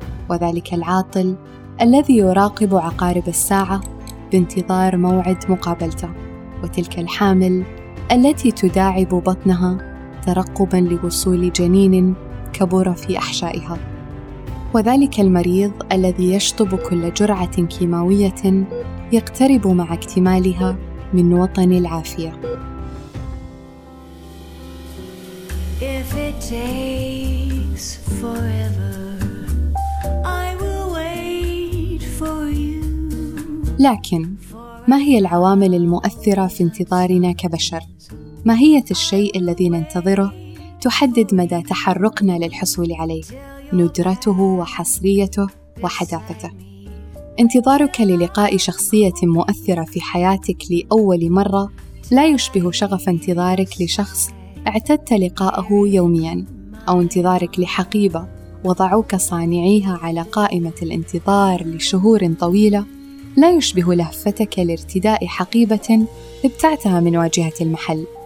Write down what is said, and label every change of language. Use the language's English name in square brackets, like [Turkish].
[Arabic] وذلك العاطل الذي يراقب عقارب الساعة بانتظار موعد مقابلته، وتلك الحامل التي تداعب بطنها ترقباً لوصول جنين كبر في أحشائها، وذلك المريض الذي يشطب كل جرعة كيماوية يقترب مع اكتمالها من وطن العافية. [English] If it takes forever, I will wait for you. [Arabic] لكن ما هي العوامل المؤثرة في انتظارنا كبشر؟ ماهية الشيء الذي ننتظره تحدد مدى تحرقنا للحصول عليه، ندرته وحصريته وحداثته؟ انتظارك للقاء شخصية مؤثرة في حياتك لأول مرة لا يشبه شغف انتظارك لشخص اعتدت لقاءه يومياً، أو انتظارك لحقيبة وضعوك صانعيها على قائمة الانتظار لشهور طويلة لا يشبه لهفتك لارتداء حقيبة ابتعتها من واجهة المحل.